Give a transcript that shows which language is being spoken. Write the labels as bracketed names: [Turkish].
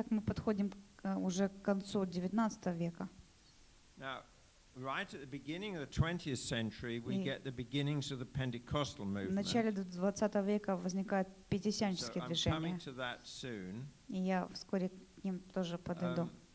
[Russian] Так мы подходим уже к концу 19 века. [English] Now, right at the beginning of the 20th century, we get the beginnings of the Pentecostal movement. [Russian] В начале 20 века возникает пятидесятническое движение. [English] So I'm coming to that soon. [Russian] И я вскоре к ним тоже подойду.